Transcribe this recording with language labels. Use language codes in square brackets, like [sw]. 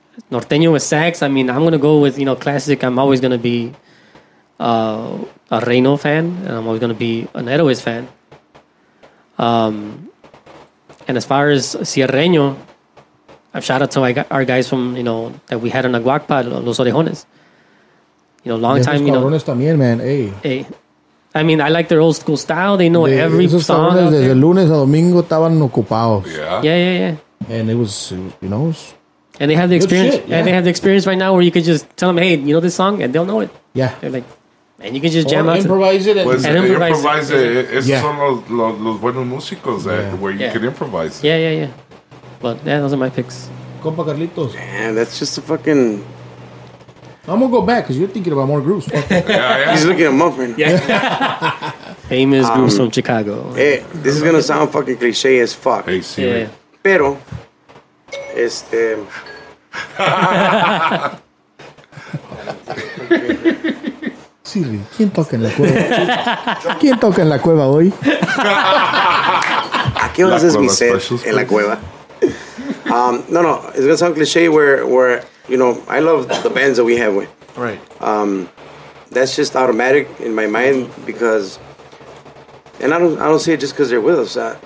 [en] Norteño with Sax. I mean, I'm gonna go with classic. I'm always gonna be a Reino fan, and I'm always gonna be an Héroes fan. And as far as Cierreño, I've shout out to our guys from that we had on the Guac Pod, Los Orejones. You know, long time. [es] Cabrones también, man. Hey. [en] Hey. I mean, I like their old school style. They know every song. [es] Esos cabrones desde lunes a domingo estaban ocupados. [en] Yeah. And it was, And they have the experience. Shit, yeah. And they have the experience right now where you could just tell them, hey, you know this song, and they'll know it. Yeah. They're like. And you can just jam out. Improvise it. [es] Son los buenos músicos [en] where you can improvise. Yeah. But those are my picks. [es] Compa Carlitos. [en] Man, that's just a fucking. I'm going to go back because you're thinking about more groups. Yeah. He's looking at them up right now. Yeah. Famous groups from Chicago. Hey, this is going to sound fucking cliche as fuck. Hey, see yeah. [es] Pero. Sirri, ¿quién toca en la cueva? ¿Quién toca en la cueva hoy? ¿A qué horas es mi set en la cueva? [en] No, it's gonna sound cliche where I love the bands that we have with. Right. That's just automatic in my mind because, and I don't say it just because they're with us.